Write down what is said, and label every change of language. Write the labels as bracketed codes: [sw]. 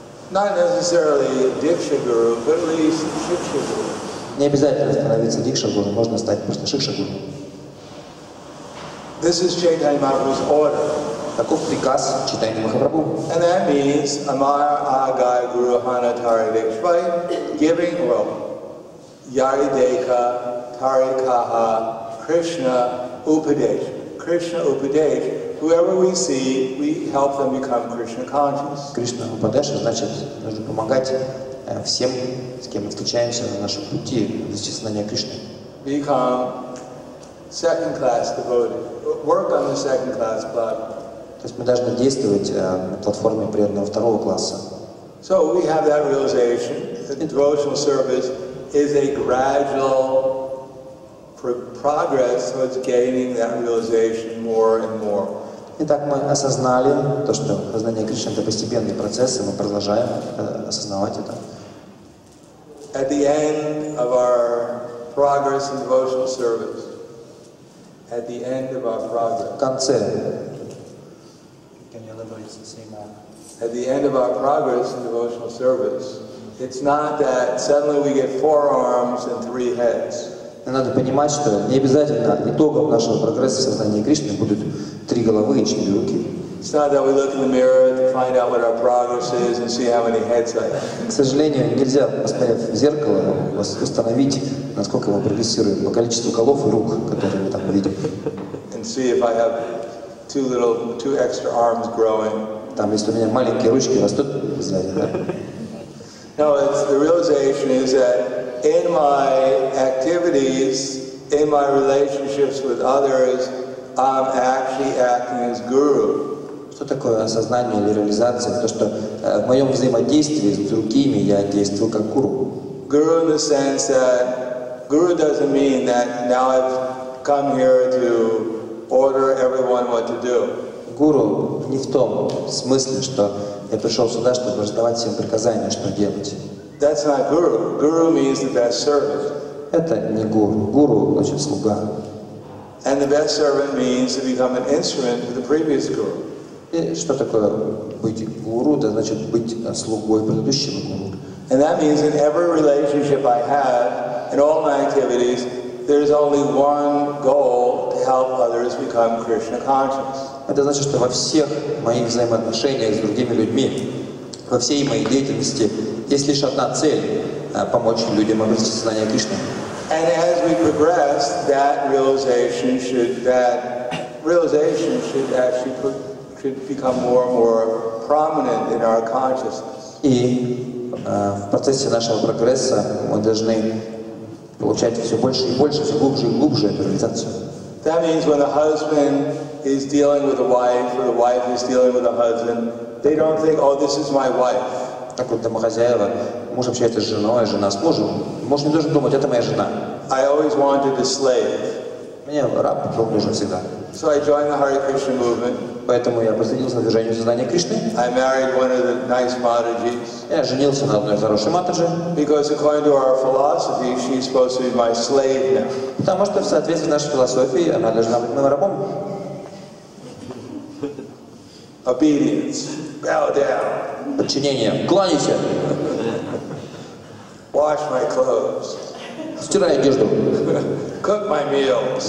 [en] Not necessarily Diksha guru, but at least Shiksha guru. [ru] Не обязательно становиться Диксха гуру, можно стать просто Шикша гуру. [en] This is Chaitanya Mahaprabhu's order. [ru] Таков приказ Чайтанья Махапрабху. [en] And that means [bn] Amar Agai Guru Hanatari Diksha. [en] By giving, well, [bn] Yari Deka Tarikaha Krishna Upadesh. [en] Krishna Upadesh. Whoever we see, we help them become Krishna conscious. [ru] Krishna Upadesh значит, нужно помогать всем, с кем мы встречаемся на нашем пути, достичь знания Кришны. [en] Become second class devotee. Work on the second class platform. [ru] То есть мы должны действовать на платформе преданного второго класса. [en] So we have that realization that devotional service is a gradual progress towards gaining that realization more and more. [ru] Итак, мы осознали то, что сознание Кришны это постепенный процесс, и мы продолжаем осознавать это. [en] At the end of our progress in devotional service, at the end of our progress. [ru] В конце. [en] Can you elaborate the same on? At the end of our progress in devotional service, it's not that suddenly we get four arms and three heads. [ru] Надо понимать, что не обязательно итогом нашего прогресса в сознании Кришны будут три головы и четыре руки. [en] It's not that we look in the mirror to find out what our progress is and see how many heads I have. [ru] К сожалению, нельзя, посмотрев в зеркало, установить, насколько мы прогрессируем по количеству голов и рук, которые мы там видим. [en] And see if I have two extra arms growing. [ru] Там, если у меня маленькие ручки растут сзади, да? [en] No, it's the realization is that in my activities, in my relationships with others, I'm actually acting as guru. [ru] Что такое осознание или реализация? То, что в моем взаимодействии с другими я действую как гуру. [en] Guru in the sense that guru doesn't mean that now I've come here to order everyone what to do. [ru] Гуру не в том смысле, что я пришел сюда, чтобы раздавать всем приказания, что делать. [en] That's not guru. Guru means the best servant. [ru] Это не гуру. Гуру значит слуга. [en] And the best servant means to become an instrument for the previous guru. [ru] И что такое быть гуру? Это значит быть слугой предыдущего гуру. [en] And that means in every relationship I have, in all my activities, there is only one goal: to help others become Krishna conscious. [ru] Это значит, что во всех моих взаимоотношениях с другими людьми, во всей моей деятельности, есть лишь одна цель — помочь людям обрести сознание Кришны. [en] And as we progress, that realization should become more and more prominent in our consciousness. [ru] И в процессе нашего прогресса мы должны получать все больше и больше, все глубже и глубже эту реализацию. [en] That means when the husband is dealing with a wife, or the wife is dealing with a husband, they don't think, oh, this is my wife. [ru] Так вот, домохозяева, муж общается с женой, жена с мужем. Муж не должен думать, это моя жена. [en] I always wanted a slave. [ru] Мне раб был нужен всегда. [en] So I joined the Hare Krishna movement. [ru] Поэтому я присоединился к движению сознания Кришны. [en] I married one of the nice Матаджис. [ru] Я женился на одной хорошей Матаджи. [en] Because according to our philosophy, she's supposed to be my slave now. [ru] Потому что в соответствии с нашей философией она должна быть моим рабом. [en] Obedience. Bow down. [ru] Подчинение. Кланяйся. [en] Wash my clothes. [ru] Стирай одежду. [en] Cook my meals.